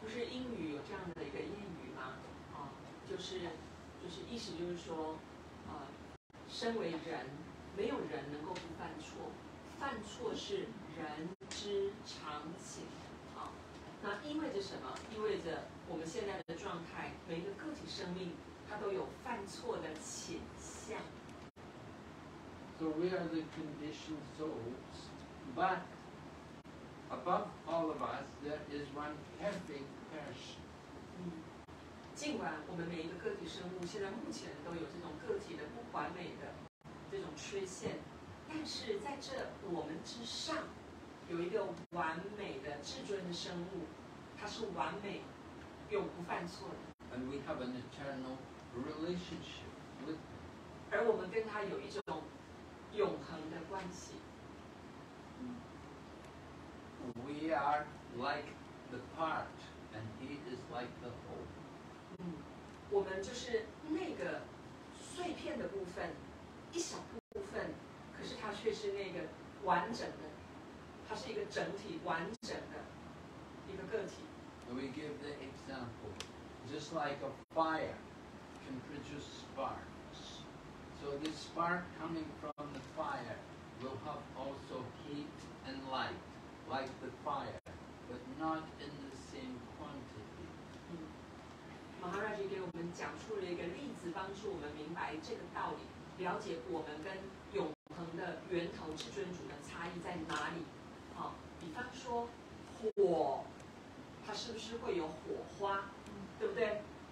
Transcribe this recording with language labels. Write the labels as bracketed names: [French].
[Chinese] 不是英语有这样的一个谚语吗？就是意思就是说，身为人，没有人能够不犯错，犯错是人之常情。那意味着什么？意味着我们现在的状态，每一个个体生命它都有犯错的倾向。 [English] So we are the conditioned souls, but above all of us, there is one perfect person. [Chinese] 尽管我们每一个个体生物现在目前都有这种个体的不完美的这种缺陷，但是在这我们之上有一个完美的至尊的生物，它是完美又不犯错的。 [English] And we have an eternal relationship with him. [Chinese] 而我们跟他有一种永恒的关系。 [English] We are like the part, and he is like the whole. [Chinese] 我们就是那个碎片的部分，一小部分，可是它却是那个完整的，它是一个整体完整的一个个体。 [English] And we give the example, just like a fire can produce sparks. So this spark coming from the fire will have also heat and light. Like the fire, but not in the same quantity. [Chinese] Maharaj 给我们讲出了一个例子，帮助我们明白这个道理，了解我们跟永恒的源头至尊主的差异在哪里。比方说火，它是不是会有火花？对不对？